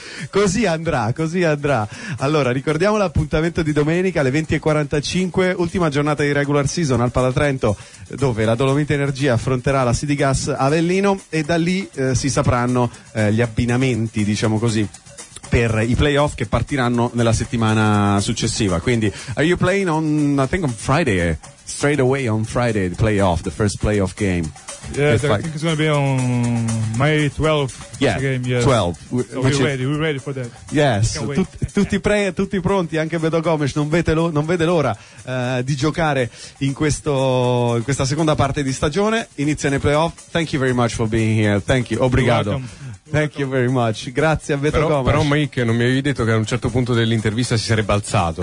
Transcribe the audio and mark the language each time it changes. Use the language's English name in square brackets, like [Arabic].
[Italian] Così andrà, così andrà. Allora, ricordiamo l'appuntamento di domenica alle 20:45, ultima giornata di regular season al Palatrento, dove la Dolomite Energia affronterà la City Gas Avellino e da lì si sapranno gli abbinamenti, diciamo così, per i playoff che partiranno nella settimana successiva. Quindi, [English] are you playing on, I think on Friday, straight away on Friday, the playoff, the first playoff game? Yes, I think it's going to be on May 12th. Yeah, game, yes. 12. We're ready. We're ready for that. Yes. [Italian] Tutti pronti, anche Beto Gomes non vede l'ora di giocare in questa seconda parte di stagione. Inizia nei playoff. [English] Thank you very much for being here. Thank you. [Portuguese] Obrigado. [English] Thank you very much. [Italian] Grazie a Beto Gomes. Però Mike, non mi avevi detto che a un certo punto dell'intervista si sarebbe alzato.